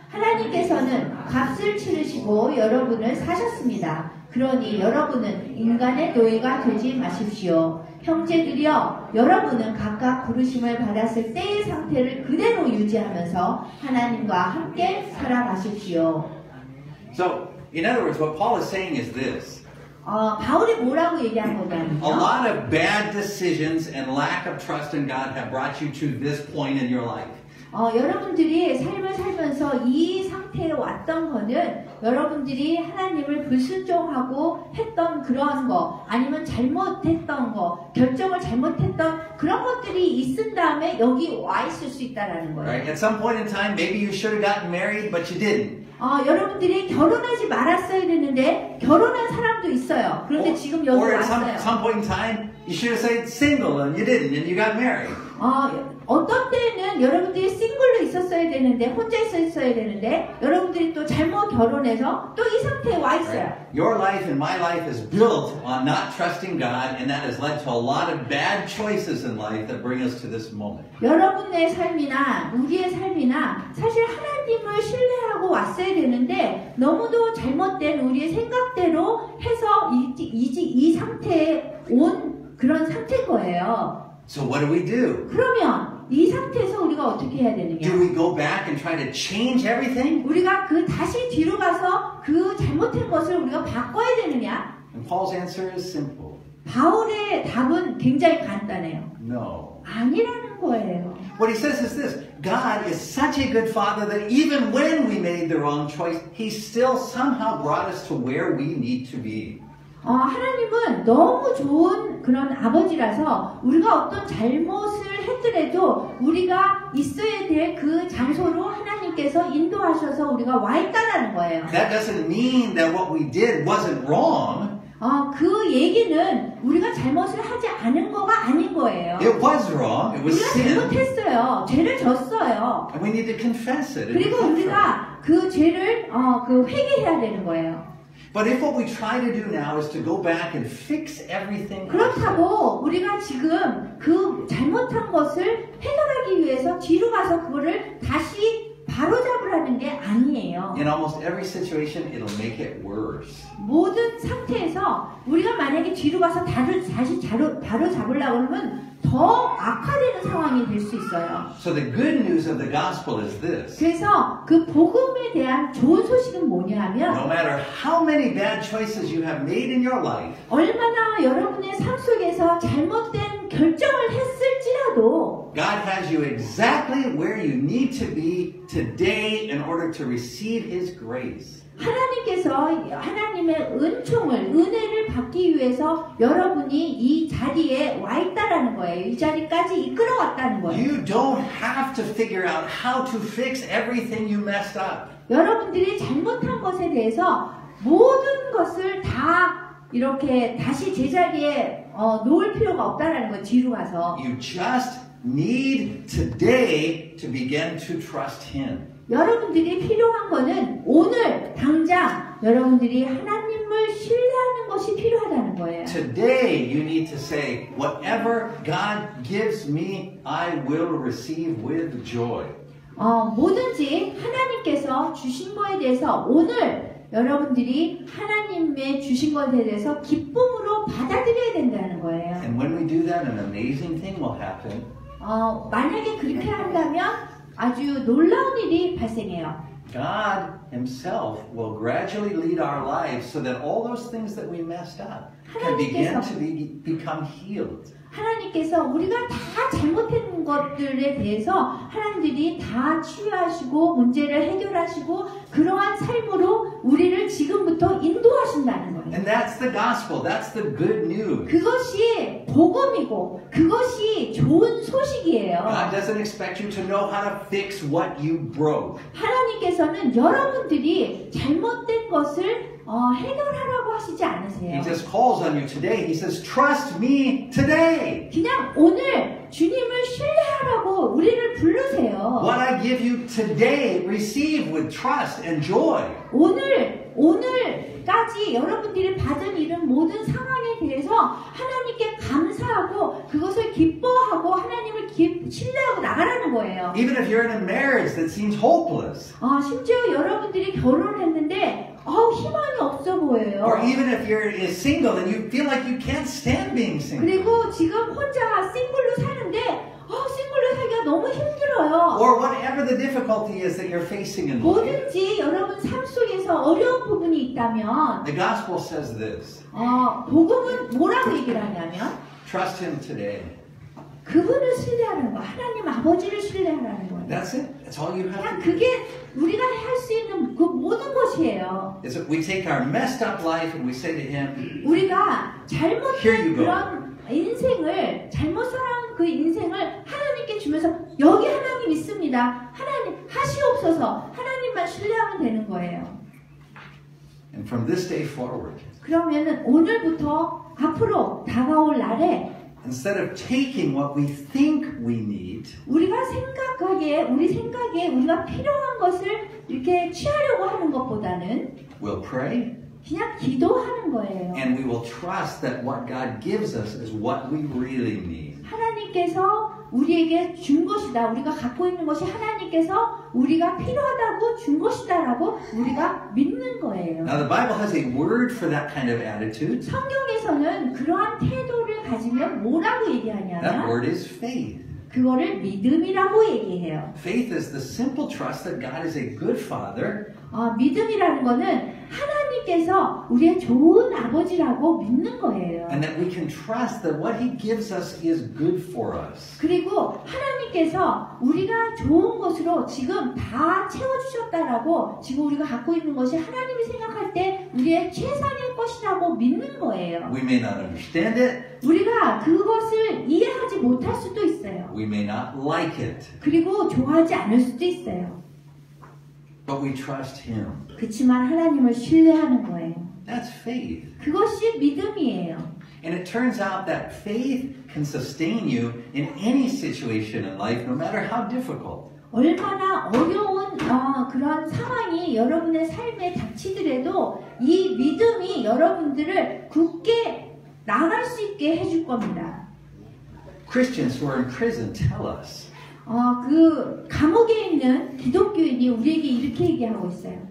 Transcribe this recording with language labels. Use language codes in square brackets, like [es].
[ko] 하나님께서는 값을 치르시고 여러분을 사셨습니다. 그러니 여러분은 인간의 노예가 되지 마십시오. 형제들이여, 여러분은 각각 부르심을 받았을 때의 상태를 그대로 유지하면서 하나님과 함께 살아가십시오. [en] So, in other words, what Paul is saying is this. [ko] 바울이 뭐라고 얘기한 거냐면요. [en] A lot of bad decisions and lack of trust in God have brought you to this point in your life. [ko] 여러분들이 삶을 살면서 이 상태에 왔던 거는 여러분들이 하나님을 불순종하고 했던 그러한 거 아니면 잘못했던 거 결정을 잘못했던 그런 것들이 있은 다음에 여기 와 있을 수 있다라는 거예요. [en] Right. At some point in time, maybe you should have gotten married, but you didn't. [ko] 여러분들이 결혼하지 말았어야 되는데 결혼한 사람도 있어요. 그런데 지금 여기 [en] or [ko] 왔어요. [en] At some point in time, you should have stayed single and you didn't and you got married. [ko] 어떤 때는 여러분들이 싱글로 있었어야 되는데 혼자 있었어야 되는데 여러분들이 또 잘못 결혼해서 또 이 상태에 와 있어요. [en] Right. Your life and my life is built on not trusting God and that has led to a lot of bad choices in life that bring us to this moment. [ko] 여러분의 삶이나 우리의 삶이나 사실 하나님을 신뢰하고 왔어야 되는데 너무도 잘못된 우리의 생각대로 해서 이 상태에 온 그런 상태인 거예요. [en] So what do we do? [ko] 그러면 이 상태에서 우리가 어떻게 해야 되느냐? [en] Do we go back and try to change everything? [ko] 우리가 그 다시 뒤로 가서 그 잘못된 것을 우리가 바꿔야 되느냐? [en] And Paul's answer is simple. [ko] 바울의 답은 굉장히 간단해요. [en] No. [ko] 아니라는 거예요. [en] What he says is this. God is such a good father that even when we made the wrong choice, he still somehow brought us to where we need to be. [ko] 하나님은 너무 좋은 그런 아버지라서 우리가 어떤 잘못을 했더라도 우리가 있어야 될 그 장소로 하나님께서 인도하셔서 우리가 와 있다라는 거예요. [en] That doesn't mean that what we did wasn't wrong. [ko] 그 얘기는 우리가 잘못을 하지 않은 거가 아닌 거예요. [en] It was wrong. It was sin. [ko] 우리가 잘못했어요. 죄를 졌어요. [en] And we need to confess it. [ko] 그리고 우리가 그 죄를 회개해야 되는 거예요. [en] But if what we try to do now is to go back and fix everything, [ko] 그렇다고 우리가 지금 그 잘못한 것을 해결하기 위해서 뒤로 가서 그거를 다시 바로잡으라는 게 아니에요. [en] In almost every situation, it'll make it worse. [ko] 모든 상태에서 우리가 만약에 뒤로 가서 다시 바로잡으려고 하면 더 악화되는 상황이 될 수 있어요. [en] So the good news of the gospel is this. [ko] 그래서 그 복음에 대한 좋은 소식은 뭐냐면 [en] No matter how many bad choices you have made in your life. [ko] 얼마나 여러분의 삶 속에서 잘못된 결정을 했을지라도 [en] God has you exactly where you need to be today in order to receive his grace. [ko] 하나님께서 하나님의 은총을 은혜를 받기 위해서 여러분이 이 자리에 와 있다라는 거예요. 이 자리까지 이끌어 왔다는 거예요. [en] You don't have to figure out how to fix everything you messed up. [ko] 여러분들이 잘못한 것에 대해서 모든 것을 다 이렇게 다시 제자리에 놓을 필요가 없다라는 거예요. 뒤로 가서. [en] You just need today to begin to trust him. [ko] 여러분들이 필요한 거는 오늘 당장 여러분들이 하나님을 신뢰하는 것이 필요하다는 거예요. [en] Today you need to say whatever God gives me I will receive with joy. [ko] 뭐든지 하나님께서 주신 거에 대해서 오늘 여러분들이 하나님의 주신 것에 대해서 기쁨으로 받아들여야 된다는 거예요. [en] And when we do that an amazing thing will happen. [ko] 만약에 그렇게 한다면 아주 놀라운 일이 발생해요. [en] God himself will gradually lead our lives so that all those things that we messed up can begin to become healed. [ko] 하나님께서 우리가 다 잘못된 것들에 대해서 하나님들이 다 치유하시고 문제를 해결하시고 그러한 삶으로 우리를 지금부터 인도하신다는 거예요. [en] And that's the gospel. That's the good news. [ko] 그것이 복음이고 그것이 좋은 소식이에요. [en] God doesn't expect you to know how to fix what you broke. [ko] 하나님께서는 여러분들이 잘못된 것을 해결하라고 하시지 않으세요. [en] He just calls on you today. He says, "Trust me today." [ko] 그냥 오늘 주님을 신뢰하라고 우리를 부르세요. [en] What I give you today, receive with trust and joy. [ko] 오늘까지 여러분들이 받은 이런 모든 상황에 대해서 하나님께 감사하고 그것을 기뻐하고 하나님을 신뢰하고 나가라는 거예요. [en] Even if you're in a marriage that seems hopeless. [ko] 심지어 여러분들이 결혼을 했는데 희망이 없어 보여요. [en] Or even if you're single and you feel like you can't stand being single. [ko] 그리고 지금 혼자 싱글로 사는데 싱글로 살기가 너무 힘들어요. [en] Or whatever the difficulty is that you're facing in life. [ko] 뭐든지 여러분 삶 속에서 어려운 부분이 있다면 [en] The gospel says this. [ko] 복음은 뭐라고 얘기를 하냐면 [en] Trust him today. [ko] 그분을 신뢰하는 거, 하나님 아버지를 신뢰하는 거예요. [en] That's it. That's all you have. [ko] 그냥 그게 우리가 할 수 있는 그 모든 것이에요. [en] So we take our messed up life and we say to him, [ko] 우리가 잘못된 그런 인생을 잘못 살아온 그 인생을 하나님께 주면서 여기 하나님 있습니다. 하나님 하시옵소서. 하나님만 신뢰하면 되는 거예요. [en] And from this day forward. [ko] 그러면은 오늘부터 앞으로 다가올 날에. [en] Instead of taking what we think we need, [ko] 우리가 생각하기에 우리 생각에 우리가 필요한 것을 이렇게 취하려고 하는 것보다는, [en] we'll pray. [ko] 그냥 기도하는 거예요. [en] And we will trust that what God gives us is what we really need. [ko] 하나님께서 우리에게 준 것이다. 우리가 갖고 있는 것이 하나님께서 우리가 필요하다고 준 것이다라고 우리가 믿는 거예요. [en] Now the Bible has a word for that kind of attitude. [ko] 성경에서는 그러한 태도를 가지면 뭐라고 얘기하냐면 [en] That word is faith. [ko] 그거를 믿음이라고 얘기해요. [en] Faith is the simple trust that God is a good father. [ko] 믿음이라는 거는 하나님께서 우리의 좋은 아버지라고 믿는 거예요. [en] And that we can trust that what he gives us is good for us. [ko] 그리고 하나님께서 우리가 좋은 것으로 지금 다 채워주셨다라고 지금 우리가 갖고 있는 것이 하나님이 생각할 때 우리의 최상의 것이라고 믿는 거예요. [en] We may not understand it. [ko] 우리가 그것을 이해하지 못할 수도 있어요. [en] We may not like it. [ko] 그리고 좋아하지 않을 수도 있어요. [en] But we trust him. [ko] 그렇지만 하나님을 신뢰하는 거예요. [en] That's faith. [ko] 그것이 믿음이에요. [en] And it turns out that faith can sustain you in any situation in life, no matter how difficult. [ko] 얼마나 어려운 그런 상황이 여러분의 삶에 닥치더라도 이 믿음이 여러분들을 굳게 나갈 수 있게 해줄 겁니다. [en] Christians who are in prison tell us. [ko] 그 감옥에 있는 기독교인이 우리에게 이렇게 얘기하고 있어요.